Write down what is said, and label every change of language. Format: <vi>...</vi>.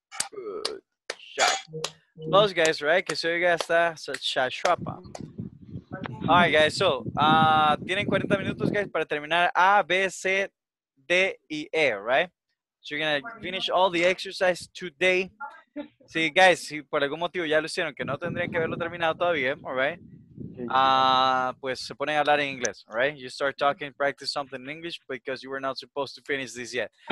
<en>Good job. Applause, guys, right? Que soy gasta sa chapa. All right, guys, so</en> <es>tienen 40 minutos, guys, para terminar A, B, C, D, y E, right?</es> <en>So you're going to finish all the exercise today.</en> <es>See, guys, si por algún motivo ya lo hicieron, que no tendrían que haberlo terminado todavía, all right? Pues se ponen a hablar en inglés, all right?</es> <en>You start talking, practice something in English because you were not supposed to finish this yet.</en>